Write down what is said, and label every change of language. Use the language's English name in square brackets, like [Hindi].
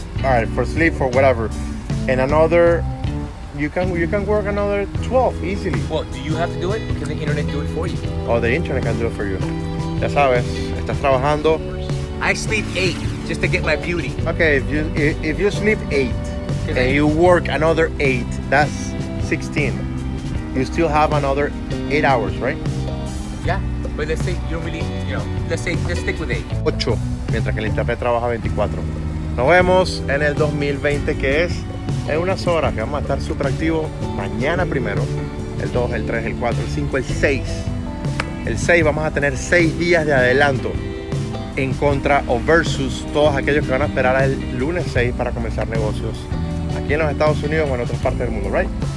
[English] All right, for sleep, for whatever. And another, you can work another 12 easily. Well, do you have to do it? Can the internet do it for you? Oh, the internet can do it for you. [Spanish] Ya sabes, estás trabajando. [English] I sleep 8 just to get my beauty. Okay, if you sleep 8 and you work another 8, that's 16. You still have another 8 hours, right? Yeah. But let's say you don't really, let's stick with 8. [Spanish] 8, mientras que el internet trabaja 24. Nos vemos en el 2020, que es en unas horas, que vamos a estar súper activos. Mañana primero, el 2, el 3, el 4, el 5, el 6. El 6 vamos a tener 6 días de adelanto en contra o versus todos aquellos que van a esperar el lunes 6 para comenzar negocios aquí en los Estados Unidos o en otras partes del mundo, right?